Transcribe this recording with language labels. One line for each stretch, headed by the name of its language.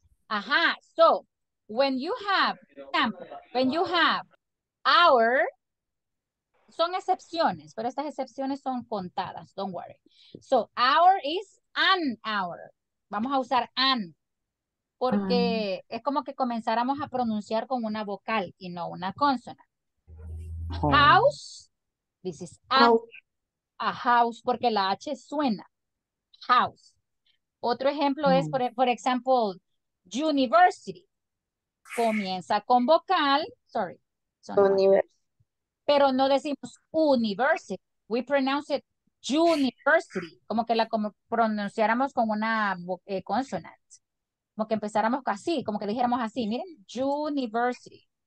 English: Ajá. So, when you have, example, when you have our,
Spanish: son excepciones, pero estas excepciones son contadas,
English: don't worry. So, our is an hour.
Spanish: Vamos a usar an. porque es como que comenzáramos a pronunciar con una vocal y no una consonante.
English: House, this is a house,
Spanish: porque la H suena,
English: house.
Spanish: Otro ejemplo es, por ejemplo, university, comienza con vocal, sorry, pero no decimos university,
English: we pronounce it university,
Spanish: como que la como pronunciáramos con una consonante, como que empezáramos así, como que dijéramos así, miren, university.